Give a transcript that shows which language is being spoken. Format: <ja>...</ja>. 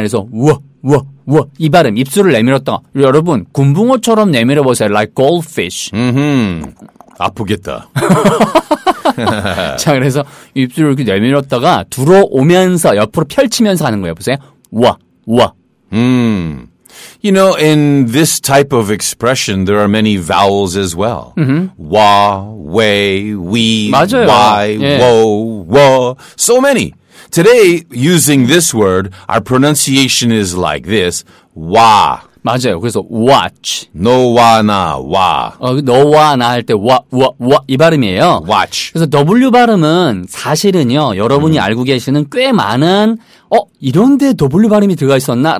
<ko>그래서 우와 우와 우와 이 발음 입술을 내밀었다. 여러분 군붕어처럼 내밀어 보세요.</ko> <en>Like goldfish.</en> <ko>아프겠다. 자 그래서 입술을 이렇게 내밀었다가 들어오면서 옆으로 펼치면서 하는 거예요. 보세요. 우와 우와.</ko> <en>You know, in this type of expression, there are many vowels as well. Mm-hmm. Wa, way, we,</en> <ko>맞아요.</ko> <en>why, yeah. wo, wo, so many. Today, using this word, our pronunciation is like this, wa.</en> <ko>맞아요. 그래서 watch. 너와 나, 와. 너와 나 할 때 와, 와, 와 이 발음이에요.</ko> <en>watch.</en> <ko>그래서 W 발음은 사실은요, 여러분이 알고 계시는 꽤 많은 이런데 W 발음이 들어가 있었나?</ko>